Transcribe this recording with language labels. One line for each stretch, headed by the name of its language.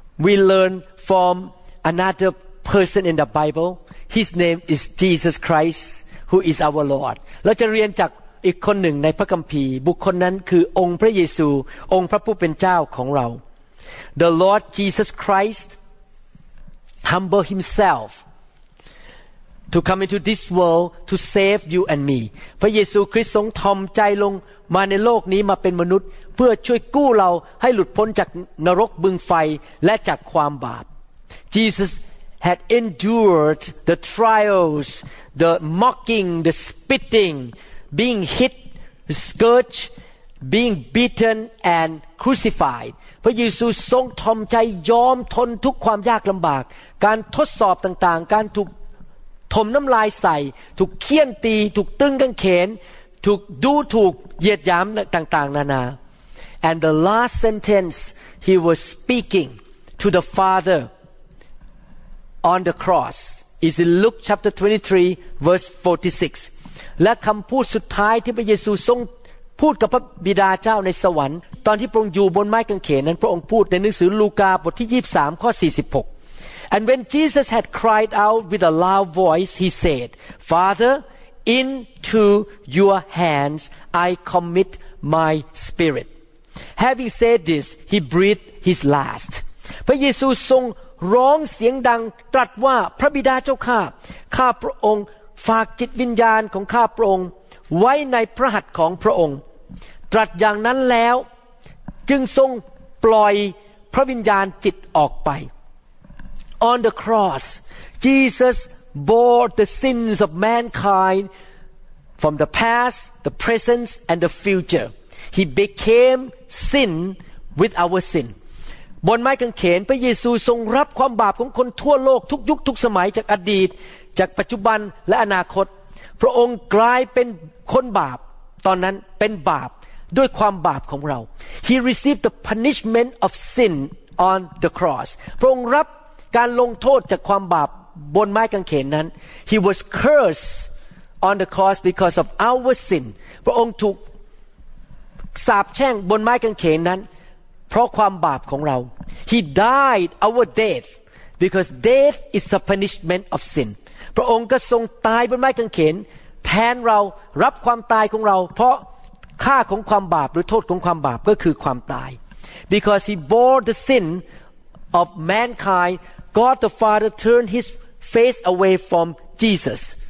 English: We learn from another person in the Bible. His name is Jesus Christ, who is our Lord.
Thai: เราจะเรียนจากอีกคนหนึ่งในพระคัมภีร์บุคคลนั้นคือองค์พระเยซูองค์พระผู้เป็นเจ้าของเรา
English: The Lord Jesus ChristHumble himself to come into this world to save you and me.
Thai: พระเยซูคริสต์ทรงถ่อมใจลงมาในโลกนี้มาเป็นมนุษย์เพื่อช่วยกู้เราให้หลุดพ้นจากนรกบึงไฟและจากความบาป
English: Jesus had endured the trials, the mocking, the spitting, being hit, scourged, being beaten and crucified.
Thai: พระเยซูทรงทอมใจยอมทนทุกความยากลำบากการทดสอบต่างๆการถูกถมน้ำลายใส่ถูกเคี่ยนตีถูกตึงกางเขนถูกดูถูกเหยียดหยามต่างๆนานา
English: and the last sentence he was speaking to the Father on the cross is in Luke chapter 23 verse 46
Thai: และคำพูดสุดท้ายที่พระเยซูทรงพูดกับพระบิดาเจ้าในสวรรค์ตอนที่พระองค์อยู่บนไม้กางเขนนั้นพระองค์พูดในหนังสือลูกาบทที่23ข้อ46
English: And when Jesus had cried out with a loud voice he said Father into your hands I commit my spirit Having said this he breathed his last
Thai: พระเยซูทรงร้องเสียงดังตรัสว่าพระบิดาเจ้าข้าพระองค์ฝากจิตวิญญาณของข้าพระองค์ไว้ในพระหัตถ์ของพระองค์ตรัสอย่างนั้นแล้วจึงทรงปล่อยพระวิญญาณจิตออกไป
English: On the cross Jesus bore the sins of mankind from the past the present and the future He became sin with our sin
Thai: บนไม้กางเขนพระเยซูทรงรับความบาปของคนทั่วโลกทุกยุคทุกสมัยจากอดีตจากปัจจุบันและอนาคตพระองค์กลายเป็นคนบาปตอนนั้นเป็นบาปด้วยความบาปของเรา
English: He received the punishment of sin on the cross
Thai: พระองค์รับการลงโทษจากความบาปบนไม้กางเขนนั้น
English: He was cursed on the cross because of our sin
Thai: พระองค์ถูกสาปแช่งบนไม้กางเขนนั้นเพราะความบาปของเรา
English: He died our death because death is the punishment of sin.
Thai: พระองค์ก็ทรงตายบนไม้กางเขนแทนเรารับความตายของเราเพราะค่าของความบาปหรือโทษของความบาปก็คือความตาย
English: because he bore the sin of mankind God the Father turned his face away from Jesus